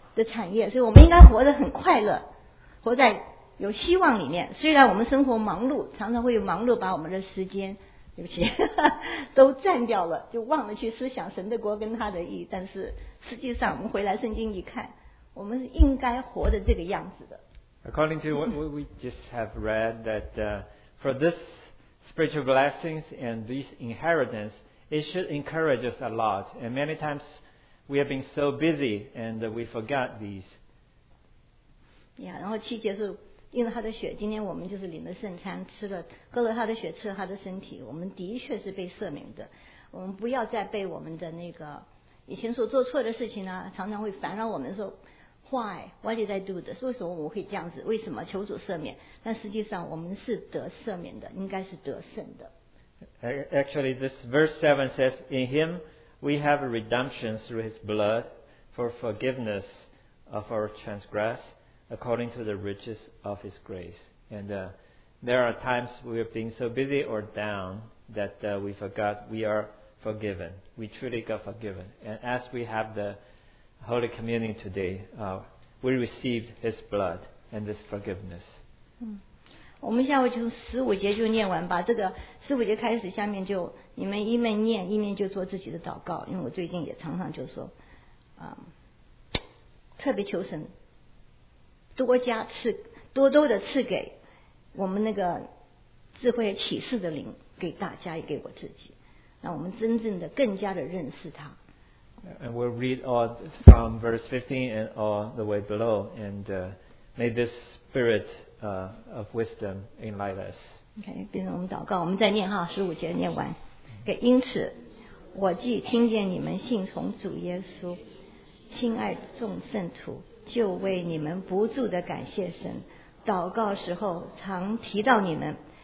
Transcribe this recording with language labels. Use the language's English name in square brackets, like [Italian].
[Chinese] 的产业，所以我们应该活得很快乐，活在有希望里面。虽然我们生活忙碌，常常会有忙碌把我们的时间，对不起，都占掉了，就忘了去思想神的国跟他的义。但是实际上，我们回来圣经一看，我们是应该活的这个样子的。 [English] According to what we just have read, that for this spiritual blessings and these inheritance, it should encourage us a lot. And many times. We have been so busy and we forgot these. [Chinese] Yeah, 然后七节是因着他的血，今天我们就是领了圣餐，吃了喝了他的血，吃了他的身体，我们的确是被赦免的。我们不要再被我们的那个以前所做错的事情呢，常常会烦扰我们说 [English] Why? Why did I do this? [Chinese] 为什么我会这样子？为什么求主赦免？但实际上我们是得赦免的，应该是得胜的。 [English] Actually, this verse 7 says, In him,We have a redemption through his blood for forgiveness of our transgress according to the riches of his grace. And there are times we are being so busy or down that we forgot we are forgiven. We truly got forgiven. And as we have the Holy Communion today, we received His blood and this forgiveness. [Chinese] 我们下午就十五节就念完吧，这个十五节开始，下面就你们一面念一面就做自己的祷告，因为我最近也常常就说，啊，特别求神多加赐多多的赐给我们那个智慧启示的灵，给大家也给我自己，让我们真正的更加的认识他。 [English] And we'll read all from verse 15 and all the way below, and may this spirit of wisdom enlighten us. [Chinese] Okay, 变成我们祷告，我们再念哈，十五节念完。给，因此，我既听见你们信从主耶稣，亲爱众圣徒，就为你们不住的感谢神，祷告时候常提到你们，